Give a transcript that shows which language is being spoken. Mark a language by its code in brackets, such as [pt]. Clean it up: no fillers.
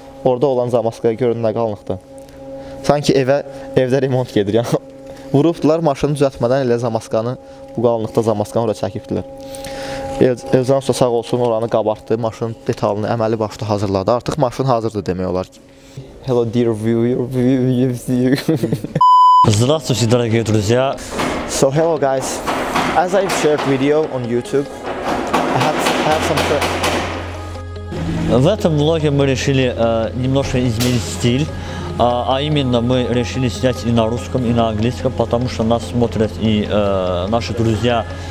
[az] Orada olan zamaskaya görün nə qalınlıqda. Sanki evdə remont gedir. Yəni, vurubdular maşını düzəltmədən elə zamaskanı, bu qalınlıqda zamaskanı ora çəkibdilər. Elcan usta sağ olsun, oranı qabartdı, maşının detalını əməli başda hazırladı. Artıq maşın hazırdır demək olar ki. [en] Hello dear viewers. [ru] Здравствуйте, дорогие друзья. [en] So hello guys. As I've shared video on YouTube, I have some. [ru] В этом влоге мы решили немножко изменить стиль, а именно мы решили снять и на русском, и на английском, потому что нас смотрят и наши друзья